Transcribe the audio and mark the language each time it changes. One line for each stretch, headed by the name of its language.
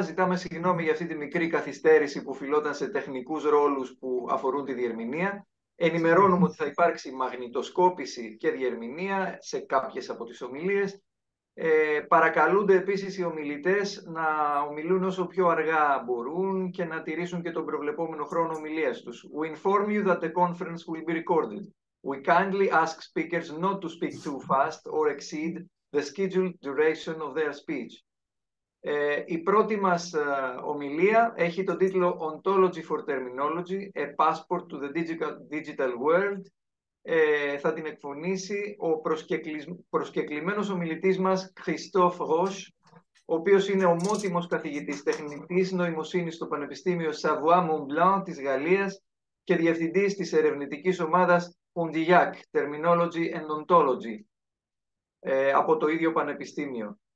Greek: Ζητάμε συγγνώμη για αυτή τη μικρή καθυστέρηση που οφειλόταν σε τεχνικούς ρόλους που αφορούν τη διερμηνία. Ενημερώνουμε ότι θα υπάρξει μαγνητοσκόπηση και διερμηνία σε κάποιες από τις ομιλίες. Παρακαλούνται επίσης οι ομιλητές να ομιλούν όσο πιο αργά μπορούν και να τηρήσουν και τον προβλεπόμενο χρόνο ομιλίας τους.
English: We inform you that the conference will be recorded. We kindly ask speakers not to speak too fast or exceed the scheduled duration of their speech.
Greek: Η πρώτη μας ομιλία έχει τον τίτλο
English: Ontology for Terminology, a passport to the digital world.
Greek: Θα την εκφωνήσει ο προσκεκλημένος ομιλητής μας Christophe Roche, ο οποίος είναι ομότιμος καθηγητής τεχνητής νοημοσύνης στο Πανεπιστήμιο Savoie-Mont-Blanc της Γαλλίας και διευθυντής της ερευνητικής ομάδας Ontology, Terminology and Ontology, από το ίδιο Πανεπιστήμιο.